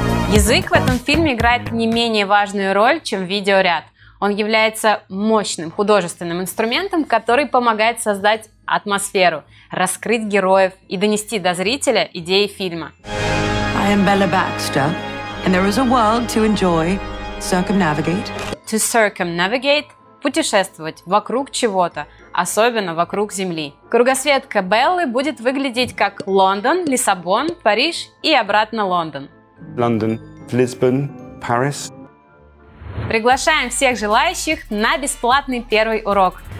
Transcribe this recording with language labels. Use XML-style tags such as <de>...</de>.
<ru>Язык в этом фильме играет не менее важную роль, чем видеоряд. Он является мощным художественным инструментом, который помогает создать атмосферу, раскрыть героев и донести до зрителя идеи фильма.</ru> <en>I am Bella Baxter, and there is a world to enjoy, circumnavigate. To circumnavigate</en> <ru>– путешествовать вокруг чего-то, особенно вокруг Земли. Кругосветка Беллы будет выглядеть как Лондон, Лиссабон, Париж и обратно Лондон.</ru> <en>London, Lisbon, Paris.</en> <ru>Приглашаем всех желающих на бесплатный первый урок.</ru>